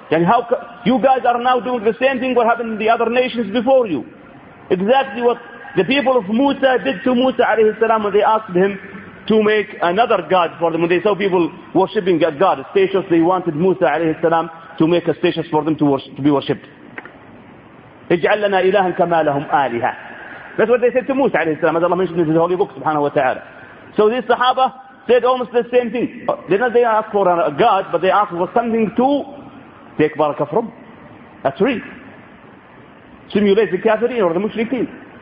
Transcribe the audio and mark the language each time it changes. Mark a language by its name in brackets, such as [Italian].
[English] And how you guys are now doing the same thing what happened in the other nations before you. Exactly what the people of Musa did to Musa alayhi salam when they asked him to make another god for them. When they saw people worshipping a god, a status, they wanted Musa alayhi salam to make a status for them to be worshipped. [Arabic] اجعل لنا إلها كما لهم آلهة. [English] That's what they said to Musa alayhi salam, as Allah mentioned in the Holy Book, subhanahu wa ta'ala. So these Sahaba said almost the same thing. They ask for a god, but they ask for something to take barakah from. A tree. Simulate the Kafirin or the Mushrikeen.